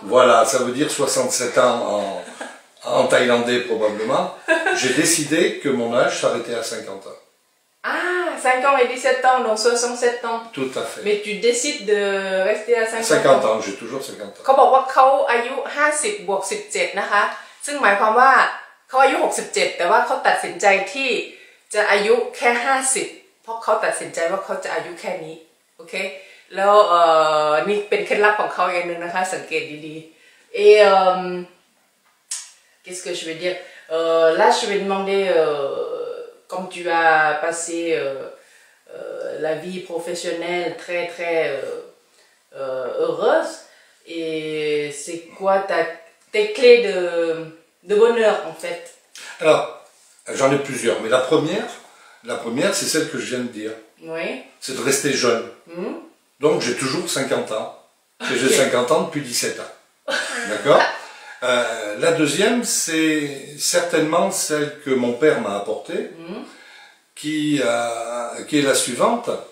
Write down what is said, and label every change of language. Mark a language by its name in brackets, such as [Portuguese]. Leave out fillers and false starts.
[French] Voilà, ça veut dire 67 ans en thaïlandais probablement. J'ai décidé que mon âge s'arrêtait à 50 ans. Ah, 5 ans et 17 ans, donc 67 ans. Tout à fait. Mais tu décides de rester à 50 ans. 50 ans, j'ai toujours 50 ans. [Thai] เขาบอกว่าเขาอายุ50บวก17นะคะซึ่งหมายความว่าเขาอายุ67แต่ว่าเขาตัดสินใจที่จะอายุแค่50เพราะเขาตัดสินใจว่าเขาจะอายุแค่นี้โอเคแล้ว นี่เป็นเคล็ดลับของเขาอย่างนึงนะคะสังเกตดีๆ [French] qu'est-ce que je veux dire là je vais demander comme tu as passé la vie professionnelle très très heureuse et c'est quoi tes clés de bonheur en fait alors j'en ai plusieurs mais la première c'est celle que je viens de dire oui c'est de rester jeune Donc, j'ai toujours 50 ans. Okay. Et j'ai 50 ans depuis 17 ans. D'accord? La deuxième, c'est certainement celle que mon père m'a apportée, qui est la suivante.